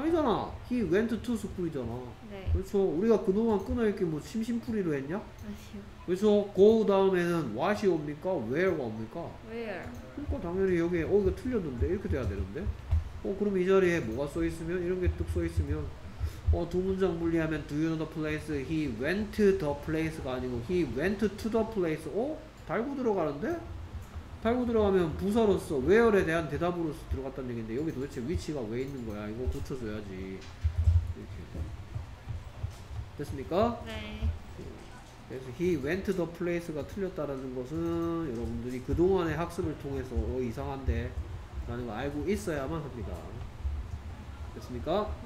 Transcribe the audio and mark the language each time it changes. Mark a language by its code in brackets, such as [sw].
[ko] 아니잖아. [en] He went to school이잖아. [ko] 네. 그렇죠. 우리가 그동안 끊어있기 뭐 심심풀이로 했냐? 아니요. 그래서 go 다음에는 what이 옵니까? where가 옵니까? where. 그러니까 당연히 여기에 어 이거 틀렸는데? 이렇게 돼야 되는데? 어 그럼 이 자리에 뭐가 써있으면? 이런 게 뚝 써있으면 어 두 문장 분리하면 [en] do you know the place? He went to the place가 [ko] 아니고 [en] He went to the place. [ko] 어? 달고 들어가는데? 팔고 들어가면 부사로서 where에 대한 대답으로서 들어갔다는 얘기인데 여기 도대체 위치가 왜 있는 거야? 이거 고쳐줘야지. 이렇게 됐습니까? 네. 그래서 [en] he went to the place [ko] 가 틀렸다라는 것은 여러분들이 그동안의 학습을 통해서 어 이상한데 라는 거 알고 있어야만 합니다. 됐습니까?